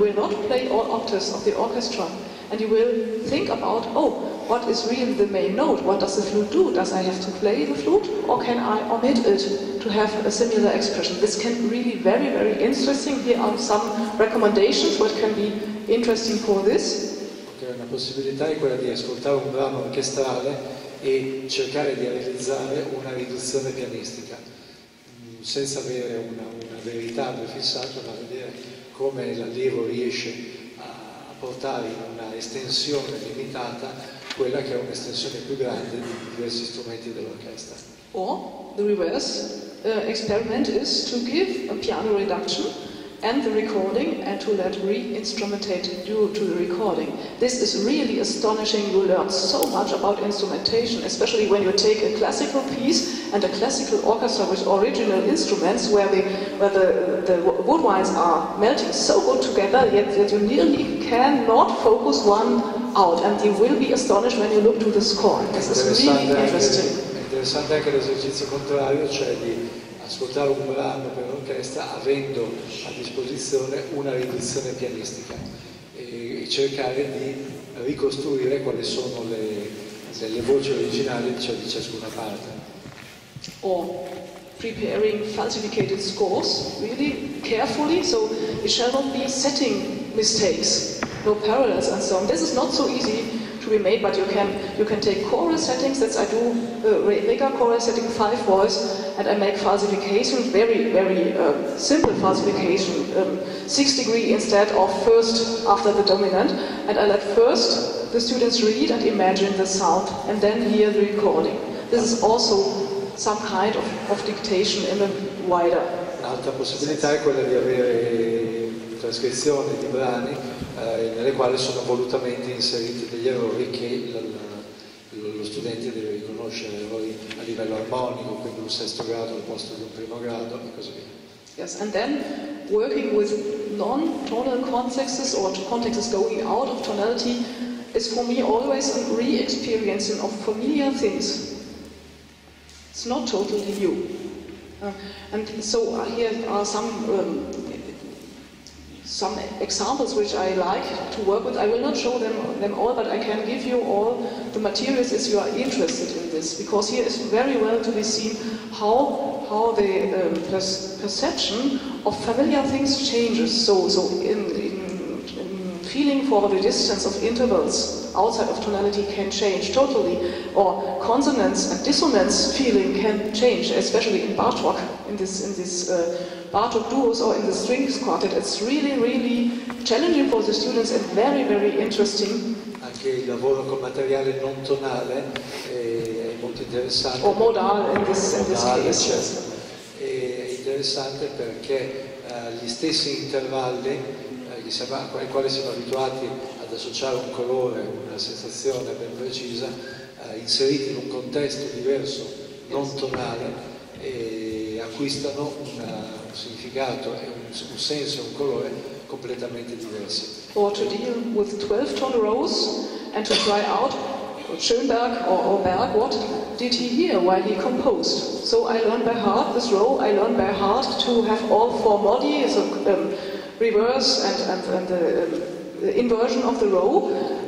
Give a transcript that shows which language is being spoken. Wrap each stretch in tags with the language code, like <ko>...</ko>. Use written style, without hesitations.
<en>You will not play all octaves of the orchestra, and you will think about, oh, what is really the main note? What does the flute do? Does I have to play the flute, or can I omit it to have a similar expression? This can really very, very interesting. Here are some recommendations what can be interesting for this.</en> <it>Okay, una possibilità è quella di ascoltare un brano orchestrale e cercare di realizzare una riduzione pianistica. Senza avere una verità prefissata, ma vedere come l'allievo riesce a portare in una estensione limitata quella che è un'estensione più grande di diversi strumenti dell'orchestra.</it> <en>Or the reverse experiment is to give a piano reduction and the recording and to let re-instrumentate due to the recording. This is really astonishing. You learn so much about instrumentation, especially when you take a classical piece and a classical orchestra with original instruments where the woodwinds are melting so good together that you nearly cannot focus one out, and you will be astonished when you look to the score. This is really interesting.</en> <it>Interessante anche l'esercizio contrario, cioè di ascoltare un brano per orchestra avendo a disposizione una riduzione pianistica e cercare di ricostruire quali sono le voci originali, cioè di ciascuna parte.</it> <en>Or preparing falsificated scores really carefully, so it shall not be setting mistakes, no parallels and so on. This is not so easy to be made, but you can take choral settings, that I do mega choral setting, five voice, and I make falsification, very, very simple falsification, sixth degree instead of first after the dominant, and I let first the students read and imagine the sound, and then hear the recording. This is also some kind of dictation in a wider sense.</en> <it>Un'altra possibilità è quella di avere trascrizioni di brani nelle quali sono volutamente inseriti degli errori che lo studente deve riconoscere, errori a livello armonico, quindi un sesto grado al posto di un primo grado e così via.</it> <en>Yes, and then working with non-tonal contexts or contexts going out of tonality is for me always a re-experiencing of familiar things. It's not totally new. And so here are some examples which I like to work with. I will not show them all, but I can give you all the materials if you are interested in this, because here is very well to be seen how the perception of familiar things changes. So in feeling for the distance of intervals outside of tonality can change totally, or consonants and dissonance feeling can change, especially in Bartok, in this Bartok duos or in the strings quartet. It's really, really challenging for the students and very, very interesting.</en> <it>Anche il lavoro con materiale non tonale è molto interessante. O modale</it> <en>in this case.</en> <it>Certo. È interessante perché gli stessi intervalli ai quali siamo abituati ad associare un colore, una sensazione ben precisa, inseriti in un contesto diverso, non tonale, acquistano un significato, un senso, un colore completamente diverso.</it> <en>Or to deal with 12-ton rows and to try out Schönberg or Berg, what did he hear while he composed? So I learned by heart this row, I learned by heart to have all four modi, so reverse and the inversion of the row.</en>